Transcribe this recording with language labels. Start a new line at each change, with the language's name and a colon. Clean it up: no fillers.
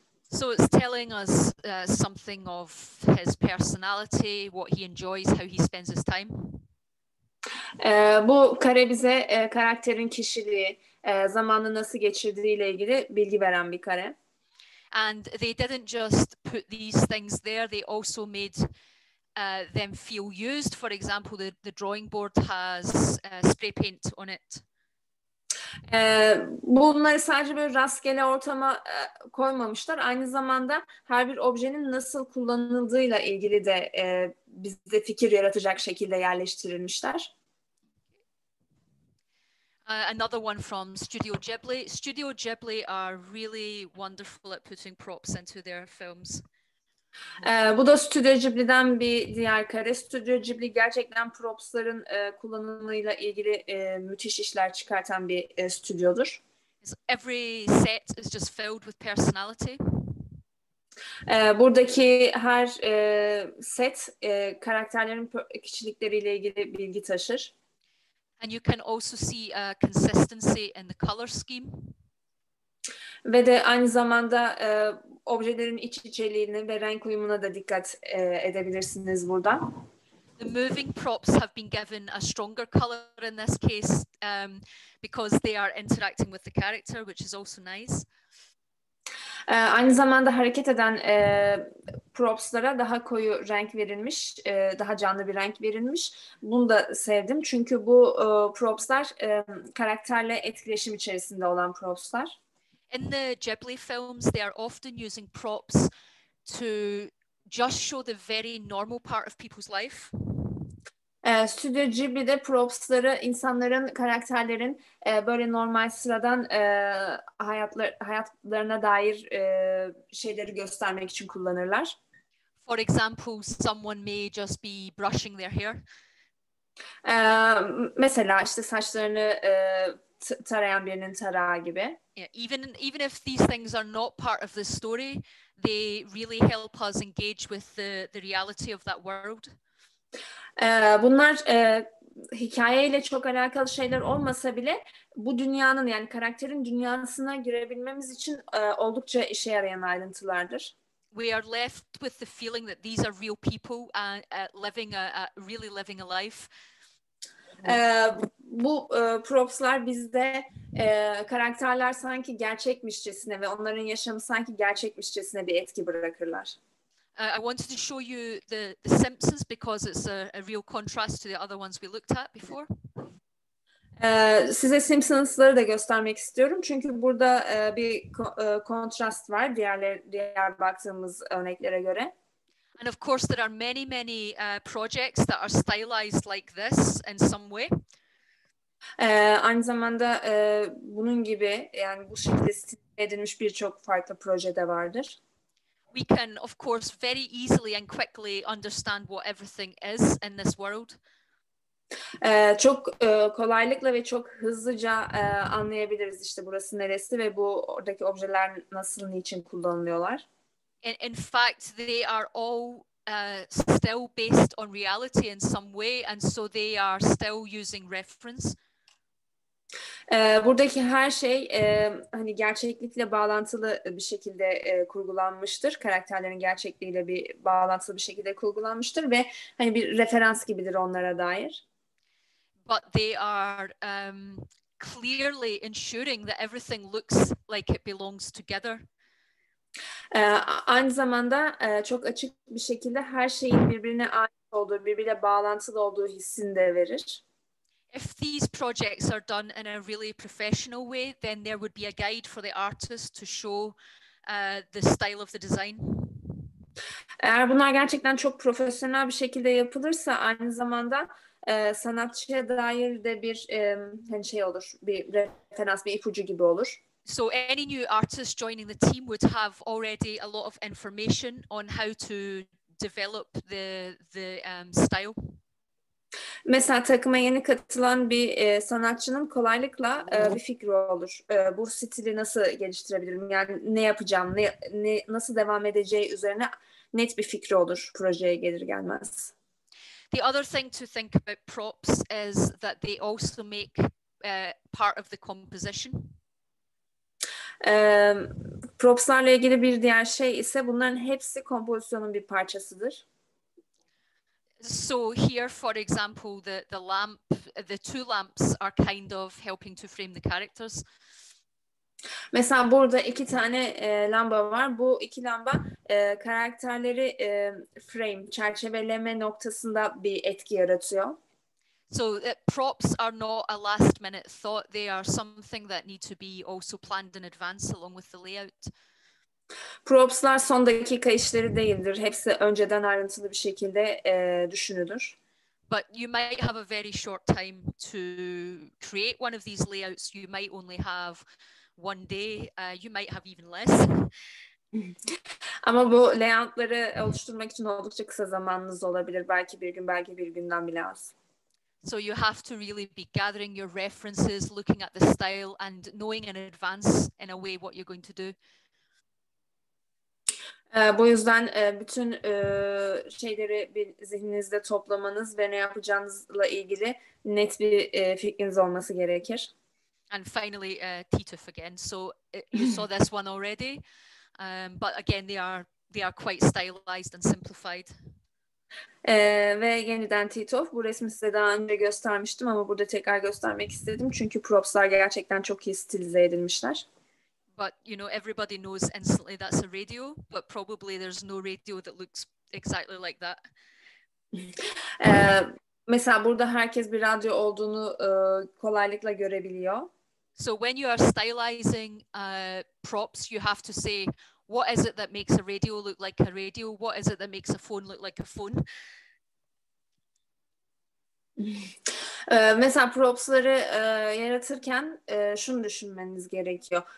English: So it's telling us something of his personality, what he enjoys, how he spends his time.
Turkish: Bu kare bize karakterin kişiliği, zamanını nasıl geçirdiğiyle ilgili bilgi veren bir kare.
English: And they didn't just put these things there, they also made them feel used. For example, the drawing board has spray paint on it.
Turkish: Bunları sadece böyle rastgele ortama koymamışlar. Aynı zamanda her bir objenin nasıl kullanıldığıyla ilgili de bize fikir yaratacak şekilde yerleştirilmişler.
English: Another one from Studio Ghibli. Studio Ghibli are really wonderful at putting props into their films.
Turkish: Bu da Studio Ghibli'den bir diğer kare. Studio Ghibli gerçekten propsların kullanımıyla ilgili müthiş işler çıkartan bir stüdyodur.
English: Every set is just filled with personality.
Turkish: Buradaki her set karakterlerin kişilikleriyle ilgili bilgi taşır.
English: And you can also see a consistency in the color scheme.
Turkish: Ve de aynı zamanda objelerin iç içeliğine ve renk uyumuna da dikkat edebilirsiniz burada.
English: The moving props have been given a stronger color in this case because they are interacting with the character, which is also nice.
Turkish: Aynı zamanda hareket eden propslara daha koyu renk verilmiş, daha canlı bir renk verilmiş. Bunu da sevdim çünkü bu propslar karakterle etkileşim içerisinde olan propslar.
English: in the Ghibli films, they are often using props to just show the very normal part of people's life.
Turkish: Studio Ghibli'de propsları insanların, karakterlerin böyle normal sıradan hayatlarına dair şeyleri göstermek için kullanırlar.
English: For example, someone may just be brushing their hair.
Turkish: Mesela işte saçlarını tarayan birinin tarağı gibi.
English: Yeah, even if these things are not part of the story, they really help us engage with the reality of that world.
Turkish: Bunlar hikayeyle çok alakalı şeyler olmasa bile bu dünyanın, yani karakterin dünyasına girebilmemiz için oldukça işe yarayan ayrıntılardır.
English: We are left with the feeling that these are real people and living a really living a life.
Turkish: Bu propslar bizde karakterler sanki gerçekmişçesine ve onların yaşamı sanki gerçekmişçesine bir etki bırakırlar.
English: I wanted to show you the Simpsons because it's a real contrast to the other ones we looked at before.
Turkish: Size Simpsons'ları da göstermek istiyorum çünkü burada bir kontrast var diğer baktığımız örneklere göre.
English: And of course there are many many projects that are stylized like this in some way.
Turkish: Aynı zamanda bunun gibi, yani bu şekilde stile edilmiş birçok farklı proje de vardır.
English: We can of course very easily and quickly understand what everything is in this world.
Turkish: Çok kolaylıkla ve çok hızlıca anlayabiliriz işte burası neresi ve bu oradaki objeler nasıl, niçin kullanılıyorlar.
English: In fact they are all still based on reality in some way and so they are still using reference.
Turkish: Buradaki her şey hani gerçeklikle bağlantılı bir şekilde kurgulanmıştır. Karakterlerin gerçekliğiyle bir bağlantılı bir şekilde kurgulanmıştır ve hani bir referans gibidir onlara dair.
English: But they are clearly ensuring that everything looks like it belongs together.
Turkish: Aynı zamanda çok açık bir şekilde her şeyin birbirine ait olduğu, birbiriyle bağlantılı olduğu hissini de verir.
English: If these projects are done in a really professional way, then there would be a guide for the artist to show the style of the design.
Turkish: Eğer bunlar gerçekten çok profesyonel bir şekilde yapılırsa aynı zamanda sanatçıya dair de bir hani şey olur, bir referans, bir ipucu gibi olur.
English: So any new artist joining the team would have already a lot of information on how to develop the style.
Turkish: Mesela takıma yeni katılan bir sanatçının kolaylıkla bir fikri olur. Bu stili nasıl geliştirebilirim? Yani ne yapacağım, ne nasıl devam edeceği üzerine net bir fikri olur projeye gelir gelmez.
English: The other thing to think about props is that they also make part of the composition.
Turkish: Propslarla ilgili bir diğer şey ise bunların hepsi kompozisyonun bir parçasıdır.
English: So here, for example, the lamp, the two lamps are kind of helping to frame the characters.
Turkish: Mesela burada iki tane lamba var. Bu iki lamba karakterleri frame, çerçeveleme noktasında bir etki yaratıyor.
English: So props are not a last minute thought. They are something that need to be also planned in advance along with the layout.
Turkish: Propslar son dakika işleri değildir. Hepsi önceden ayrıntılı bir şekilde düşünülür.
English: But you might have a very short time to create one of these layouts. You might only have one day. You might have even less.
Turkish: Ama bu layoutları oluşturmak için oldukça kısa zamanınız olabilir. Belki bir gün, belki bir günden bile az.
English: So you have to really be gathering your references, looking at the style and knowing in advance in a way what you're going to do.
Turkish: Bu yüzden bütün şeyleri bir zihninizde toplamanız ve ne yapacağınızla ilgili net bir fikriniz olması gerekir.
English: And finally, Tituf again. So you saw this one already, but again they are quite stylized and simplified.
Turkish: Ve yeniden Tituf. Bu resmi size daha önce göstermiştim ama burada tekrar göstermek istedim çünkü propslar gerçekten çok iyi stilize edilmişler.
English: But you know, everybody knows instantly that's a radio, but probably there's no radio that looks exactly like that.
Turkish: Mesela burada herkes bir radyo olduğunu kolaylıkla görebiliyor.
English: So when you are stylizing props, you have to say, what is it that makes a radio look like a radio? What is it that makes a phone look like a phone?
Turkish: Mesela propsları yaratırken şunu düşünmeniz gerekiyor.